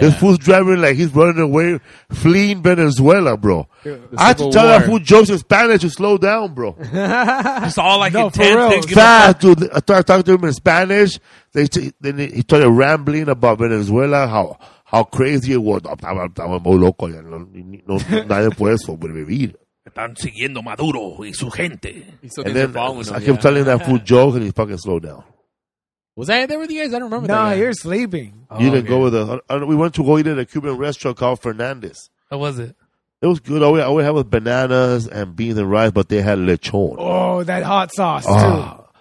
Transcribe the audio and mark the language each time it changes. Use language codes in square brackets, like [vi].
[en] This fool's driving like he's running away, fleeing Venezuela, bro. I had to tell that fool jokes in Spanish to slow down, bro. It's all like intense. No, fast, dude. I thought I talked to him in Spanish. Then he started rambling about Venezuela, how crazy it was. I'm [es] muy loco. No, nadie puede sobrevivir. Están siguiendo Maduro y su gente. [en] And then I kept telling that fool joke, and he fucking slowed down. Was I there with you guys? I don't remember. No, that. No, you're sleeping. You didn't go with us. We went to go eat at a Cuban restaurant called Fernandez. How was it? It was good. All we had was bananas and beans and rice, but they had lechon. Oh, that hot sauce, too.